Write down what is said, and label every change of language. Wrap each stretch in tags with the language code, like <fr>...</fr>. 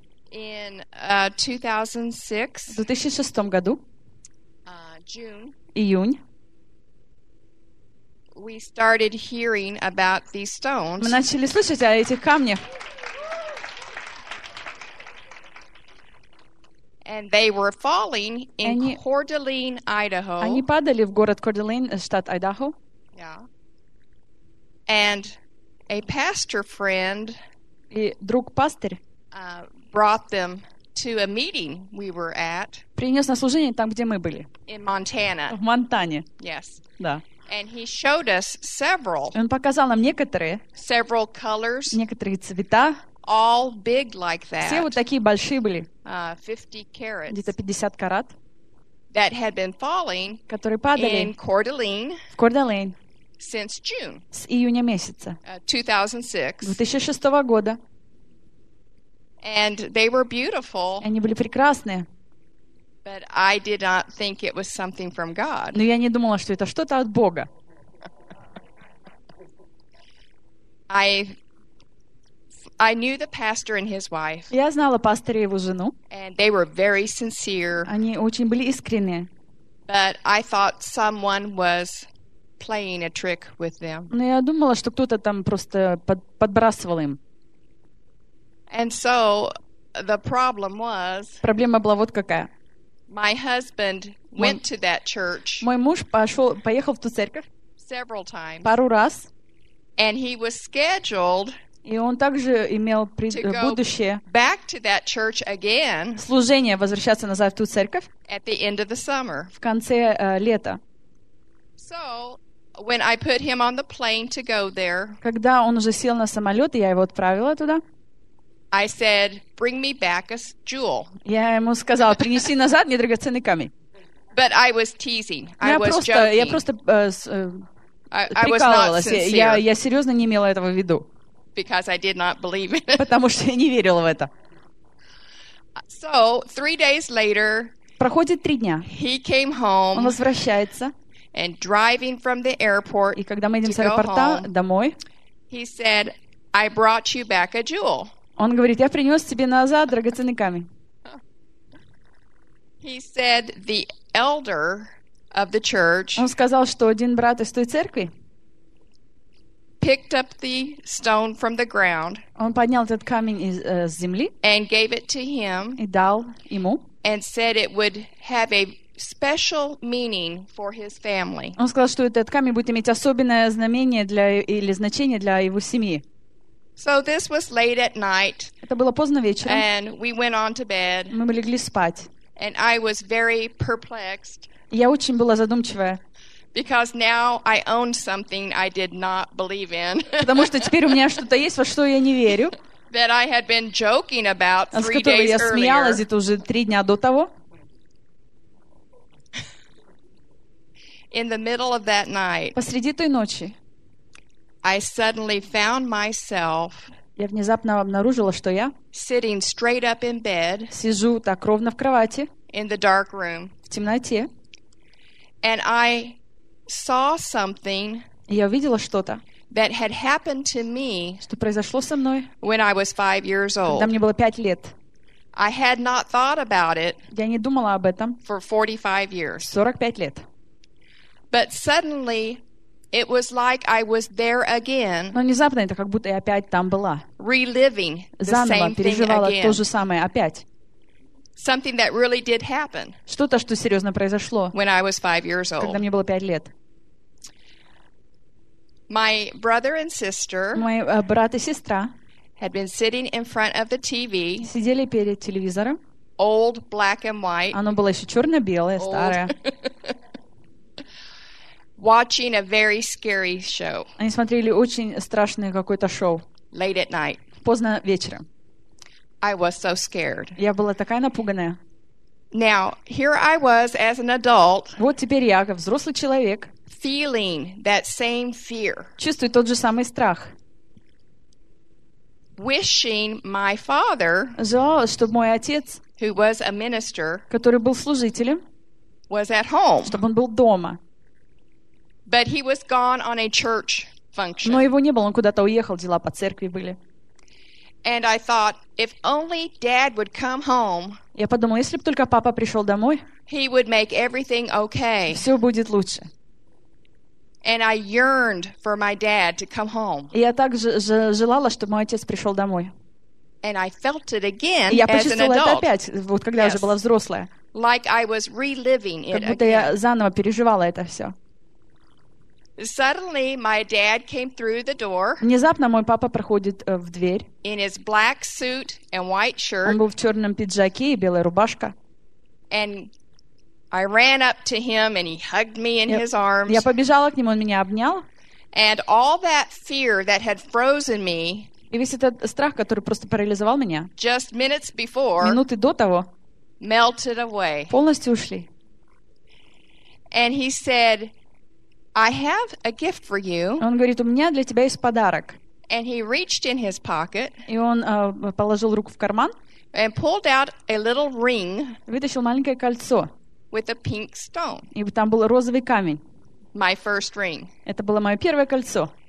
<en>In 2006.</en> <ru>В 2006 году.</ru> <en>June.</en> <ru>Июнь.</ru> <en>We started hearing about these stones.</en> <ru>Мы начали слышать о этих камнях.</ru> <en>And they were falling in Coeur d'Alene, Idaho.</en> <ru>Они падали в город Coeur d'Alene, штат Айдахо.</ru> <en>Yeah. And a pastor friend</en> <ru>и друг пастырь</ru> <en>brought them to a meeting we were at.</en> <ru>Принес на служение там, где мы были.</ru> <en>In Montana.</en> <ru>В Монтане.</ru> <en>Yes.</en> <ru>Да.</ru> <en>And he showed us several.</en> <ru>Он показал нам некоторые.</ru> <en>Several colors.</en> <ru>Некоторые цвета.</ru> <en>All big like that.</en> <ru>Все вот такие большие были.</ru> <en>50 carats.</en> <ru>Где-то 50 карат.</ru> <en>That had been falling.</en> <ru>Которые падали.</ru> <en>In Coeur d'Alene.</en> <ru>В Coeur d'Alene.</ru> <en>Since June.</en> <ru>С июня месяца. 2006 года.</ru> <en>And they were beautiful.</en> <ru>Они были прекрасные.</ru> <en>But I did not think it was something from God.</en> <ru>Но я не думала, что это что-то от Бога.</ru> <en>I knew the pastor and his wife.</en> <ru>Я знала пастора и его жену.</ru> <en>And they were very sincere.</en> <ru>Они очень были искренние.</ru> <en>But I thought someone was playing a trick with them.</en> <ru>Но я думала, что кто-то там просто подбрасывал им.</ru> <en>And so the problem was.</en> <ru>Проблема была вот какая.</ru> <en>My husband went to that church.</en> <ru>Мой муж поехал в ту церковь.</ru> <en>Several times.</en> <ru>Пару раз.</ru> <en>And he was scheduled.</en> <ru>И он также имел будущее.</ru> <en>Back to that church again.</en> <ru>Служение возвращаться назад в ту церковь.</ru> <en>At the end of the summer.</en> <ru>В конце лета.</ru> <en>So when I put him on the plane to go there,</en> <ru>когда он уже сел на самолет, и я его отправила туда,</ru> <en>I said, "Bring me back a jewel."</en> <ru>Я ему сказала, принеси назад мне драгоценный камень.</ru> <en>But I was teasing.</en> <ru>Я просто прикалывалась. Я серьезно не имела этого в виду.</ru> <en>Because I did not believe it.</en> <ru>Потому что я не верила в это.</ru> <en>So, 3 days later,</en> <ru>проходит 3 дня.</ru> <en>He came home,</en> <ru>он возвращается.</ru> <en>And driving from the airport,</en> <ru>и когда мы едем с аэропорта домой,</ru> <en>he said, I brought you back a jewel.</en> <ru>Он говорит, я принес тебе назад драгоценный камень.</ru> <en>He said, the elder of the church,</en> <ru>он сказал, что один брат из той церкви</ru> <en>picked up the stone from the ground,</en> <ru>он поднял этот камень из земли</ru> <en>and gave it to him,</en> <ru>и дал ему,</ru> <en>and said it would have a special meaning for his family.</en> <ru>Он сказал, что этот камень будет иметь особенное знамение для или значение для его семьи.</ru> <en>So this was late at night.</en> <ru>Это было поздно вечером.</ru> <en>And we went on to bed.</en> <ru>Мы легли спать.</ru> <en>And I was very perplexed.</en> <ru>Я очень была задумчивая.</ru> <en>Because now I owned something I did not believe in.</en> <ru>Потому что теперь у меня что-то есть, во что я не верю.</ru> <en>That I had been joking about 3 days earlier.</en> <ru>С которой я смеялась это уже 3 дня до того.</ru> <en>In the middle of that night,</en> <ru>посреди той ночи,</ru> <en>I suddenly found myself,</en> <ru>я внезапно обнаружила, что я</ru> <en>sitting straight up in bed,</en> <ru>сижу так ровно в кровати,</ru> <en>in the dark room,</en> <ru>в темноте,</ru> <en>and I saw something,</en> <ru>я увидела что-то,</ru> <en>that had happened to me,</en> <ru>что произошло со мной,</ru> <en>when I was 5 years old,</en> <ru>когда мне было 5 лет.</ru> <en>I had not thought about it,</en> <ru>я не думала об этом,</ru> <en>for 45 years,</en> <ru>45 лет.</ru> <en>But suddenly, it was like I was there again.</en> <ru>Но внезапно это как будто я опять там была.</ru> <en>Reliving the same thing again.</en> <ru>Заново переживала то же самое опять.</ru> <en>Something that really did happen.</en> <ru>Что-то, что серьезно произошло.</ru> <en>When I was 5 years old.</en> <ru>Когда мне было 5 лет.</ru> <en>My brother and sister.</en> <ru>Мой брат и сестра.</ru> <en>Had been sitting in front of the TV.</en> <ru>Сидели перед телевизором.</ru> <en>Old black and white.</en> <ru>Оно было еще черно-белое, старое.</ru> <en>Watching a very scary show.</en> <ru>Они смотрели очень страшное какое-то шоу.</ru> <en>Late at night.</en> <ru>Поздно вечером.</ru> <en>I was so scared.</en> <ru>Я была такая напуганная.</ru> <en>Now, here I was as an adult.</en> <ru>Вот теперь я, как взрослый человек.</ru> <en>Feeling that same fear.</en> <ru>Чувствую тот же самый страх.</ru> <en>Wishing my father.</en> <ru>Желала, чтобы мой отец,</ru> <en>who was a minister,</en> <ru>который был служителем,</ru> <en>was at home.</en> <ru>Чтобы он был дома.</ru> <en>But he was gone on a church function.</en> <ru>Но его не было, он куда-то уехал, дела по церкви были.</ru> <en>And I thought, if only dad would come home.</en> <ru>Я подумал, если бы только папа пришел домой.</ru> <en>He would make everything okay.</en> <ru>Все будет лучше.</ru> <en>And I yearned for my dad to come home.</en> <ru>Я также желала, чтобы мой отец пришел домой.</ru> <en>And I felt it again as an adult.</en> <ru>Я почувствовала это опять, вот когда я уже была взрослая.</ru> <en>Like I was reliving it again.</en> <ru>Как будто я заново переживала это все.</ru> <en>Suddenly, my dad came through the door.</en> <ru>Внезапно мой папа проходит в дверь.</ru> <en>In his black suit and white shirt.</en> <ru>Он был в черном пиджаке и белая рубашка.</ru> <en>And I ran up to him, and he hugged me in his arms.</en> <ru>Я побежала к нему, он меня обнял.</ru> <en>And all that fear that had frozen me.</en> <ru>И весь этот страх, который просто парализовал меня.</ru> <en>Just minutes before.</en> <ru>Минуты до того.</ru> <en>Melted away.</en> <ru>Полностью ушли.</ru> <en>And he said, I have a gift for you.</en> <ru>Он говорит, у меня для тебя есть подарок.</ru> <en>And he reached in his pocket.</en> <ru>И он положил руку в карман.</ru> <en>And pulled out a little ring.</en> <ru>Вытащил маленькое кольцо.</ru> <en>With a pink stone.</en> <ru>И там был розовый камень.</ru> <en>My first ring.</en> <ru>Это было мое первое кольцо.</ru>